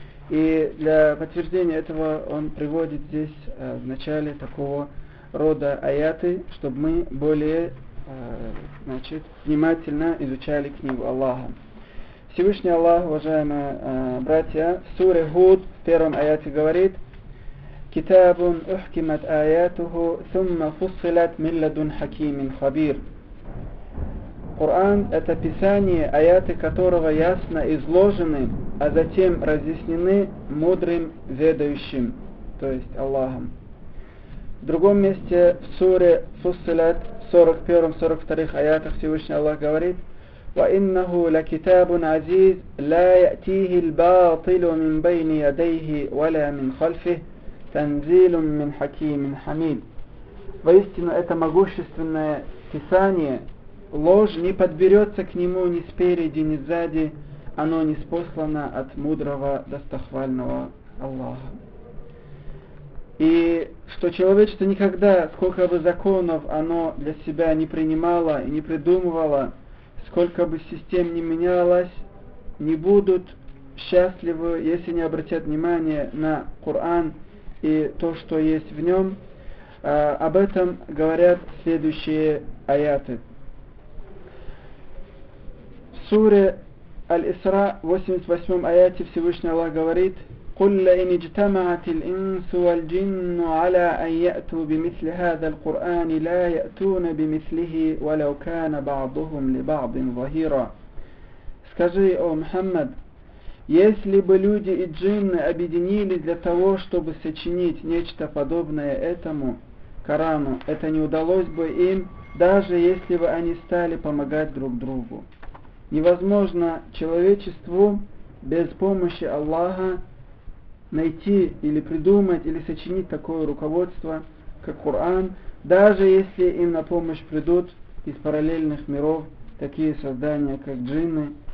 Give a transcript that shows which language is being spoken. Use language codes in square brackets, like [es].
[ru] И для подтверждения этого он приводит здесь в начале такого рода аяты, чтобы мы более, значит, внимательно изучали книгу Аллаха. Всевышний Аллах, уважаемые братья, в суре Худ в первом аяте говорит: [ar] كتاب أحكمت آياته ثم فصلت من لدن حكيم خبير. [ru] Коран — это писание, аяты которого ясно изложены, а затем разъяснены мудрым ведающим, то есть Аллахом. В другом месте в суре Фуссилят, в 41-42 аятах Всевышний Аллах говорит: [ar] وَإِنَّهُ لَكِتَابٌ عَزِيزٌ لَا يَأْتِيهِ الْبَاطِلُ مِنْ بَيْنِ يَدَيْهِ وَلَا مِنْ خَلْفِهِ تَنْزِيلٌ مِنْ حَكِيمٍ حَمِيدٌ. [ru] Воистину, это могущественное писание, ложь не подберется к нему ни спереди, ни сзади, оно ниспослано от мудрого, достохвального Аллаха. И что человечество никогда, сколько бы законов оно для себя не принимало и не придумывало, сколько бы систем не менялось, не будут счастливы, если не обратят внимание на Коран и то, что есть в нем, об этом говорят следующие аяты. В суре Аль-Исра, 88 аяте, Всевышний Аллах говорит: [ar] قُلْ لَئِنِ اجْتَمَعَتِ الْإِنْسُ وَالْجِنُّ عَلَىٰ أَنْ يَأْتُوا بِمِثْلِ هَذَا الْقُرْآنِ لَا يَأْتُونَ بِمِثْلِهِ وَلَوْ كَانَ بَعْضُهُمْ لِبَعْضٍ ظَهِيرًا. [ru] Скажи, о Мухаммад, если бы люди и джинны объединились для того, чтобы сочинить нечто подобное этому Корану, это не удалось бы им, даже если бы они стали помогать друг другу. Невозможно человечеству без помощи Аллаха найти или придумать или сочинить такое руководство, как Коран, даже если им на помощь придут из параллельных миров такие создания, как джинны.